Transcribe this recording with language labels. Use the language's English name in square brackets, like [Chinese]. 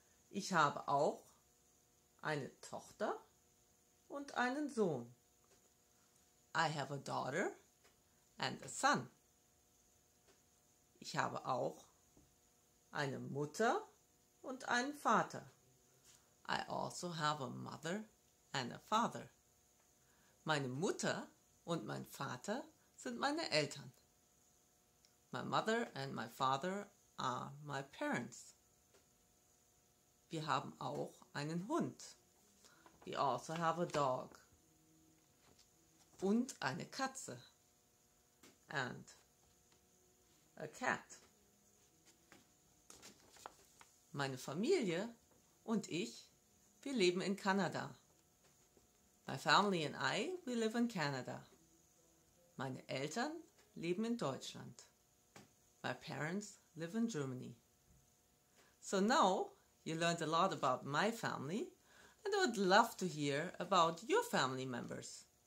[German] Ich habe auch eine Tochter und einen Sohn. [English] I have a daughter and a son. [German] Ich habe auch eine Mutter und einen Vater. [English] I also have a mother and a father. [German] Meine Mutter und mein Vater sind meine Eltern. [English] My mother and my father are my parents. [German] Wir haben auch einen Hund. [English] We also have a dog. [German] Und eine Katze. [English] And a cat. [German] Meine Familie und ich, wir leben in Kanada. [English] My family and I, we live in Canada. [German] Meine Eltern leben in Deutschland. [English] My parents live in Germany. So now you learned a lot about my family and I would love to hear about your family members.